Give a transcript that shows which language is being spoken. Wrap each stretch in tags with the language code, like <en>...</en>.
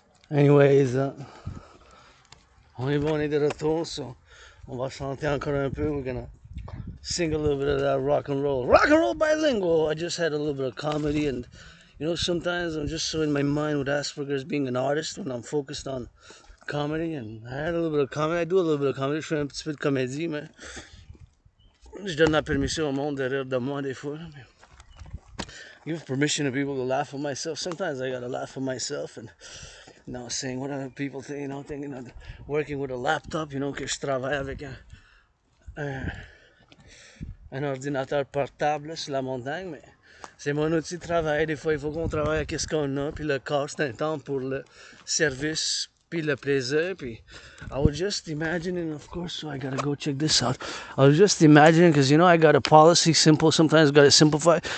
<fr>Anyways, on est bon, on est de retour, so on va chanter encore un peu.</fr> <en>We're gonna sing a little bit of that rock and roll. Rock and roll bilingual! I just had a little bit of comedy, and you know, sometimes I'm just so in my mind with Asperger's being an artist when I'm focused on comedy, and I had a little bit of comedy. I do a little bit of comedy,</en> <fr>je fais un petit peu de comédie, mais je donne la permission au monde de rire de moi des fois.</fr> <en>Give permission to people to laugh at myself. Sometimes I gotta laugh at myself, and now saying what other people think, you know, thinking of working with a laptop, you know,</en> <fr>que je travaille avec un ordinateur portable sur la montagne, mais c'est mon outil de travail. Des fois, il faut qu'on travaille avec ce qu'on a, puis le corps, c'est un temps pour le service, puis le plaisir, puis</fr> <en>I was just imagining, of course, so I gotta go check this out. I was just imagining, because, you know, I got a policy simple, sometimes gotta simplify.</en>